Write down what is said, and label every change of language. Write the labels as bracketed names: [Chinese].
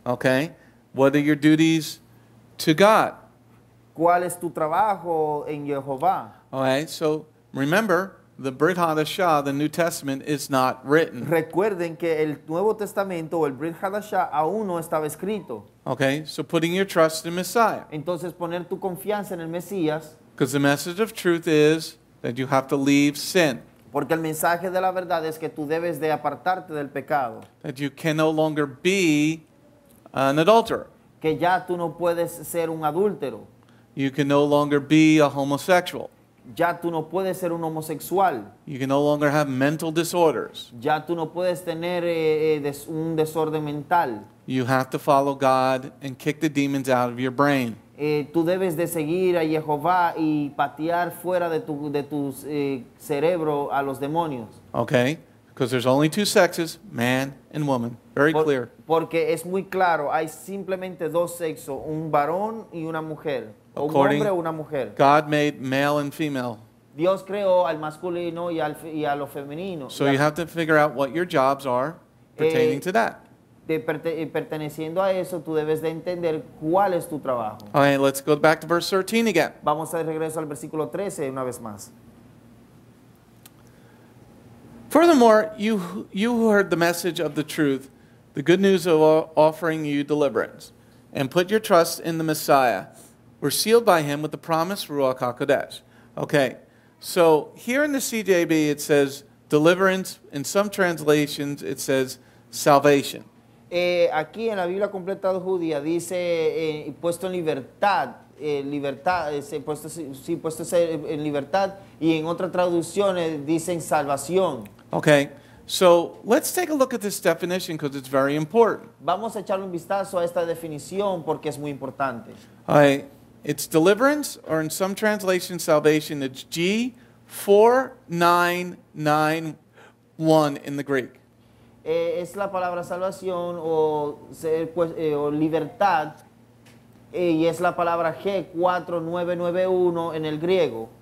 [English] Okay. What are your duties to God? [Spanish] ¿Cuál es tu trabajo en Yehovah? [English] Okay, so remember, the Brit Hadashah, the New Testament, is not written. [Spanish] Recuerden que el Nuevo Testamento o el Brit Hadashah aún no estaba escrito. [English] Okay, so putting your trust in Messiah. [Spanish] Entonces poner tu confianza en el Mesías. [English] Because the message of truth is that you have to leave sin. [Spanish] Porque el mensaje de la verdad es que tú debes de apartarte del pecado. [English] That you can no longer be an adulterer. [Spanish] Que ya tú no puedes ser un adúltero. [English] You can no longer be a homosexual. [Spanish] Ya tú no puedes ser un homosexual. [English] You can no longer have mental disorders. [Spanish] Ya tú no puedes tener un desorden mental. [English] You have to follow God and kick the demons out of your brain. [Spanish] Tú debes de seguir a Jehovah y patear fuera de tu cerebro a los demonios. [English] Okay, because there's only two sexes, man and woman. Very clear. [Spanish] Porque es muy claro, hay simplemente dos sexos, un varón y una mujer. [English] According [Spanish] un hombre o una mujer. [English] God made male and female. [Spanish] Dios creó al masculino y al y a lo femenino. [English] So you have to figure out what your jobs are pertaining to that. [Spanish] Perteneciendo a eso, tú debes de entender cuál es tu trabajo. [English] Okay, let's go back to verse 13 again. [Spanish] Vamos a regreso al versículo 13 una vez más. [English] Furthermore, you who heard the message of the truth, the good news of offering you deliverance, and put your trust in the Messiah, were sealed by him with the promise Ruach HaKodesh. Okay, so here in the CJB it says deliverance. In some translations it says salvation. [Spanish] Aquí en la Biblia completa judía dice puesto en libertad, en libertad, y en otras traducciones dicen salvación. [English] Okay, so let's take a look at this definition because it's very important. [Spanish] Vamos a echarle un vistazo a esta definición porque es muy importante. [English] Okay. It's deliverance, or in some translations, salvation. It's G4991 in the Greek. [Spanish] Es la palabra salvación o ser o libertad, y es la palabra G4991 en el griego.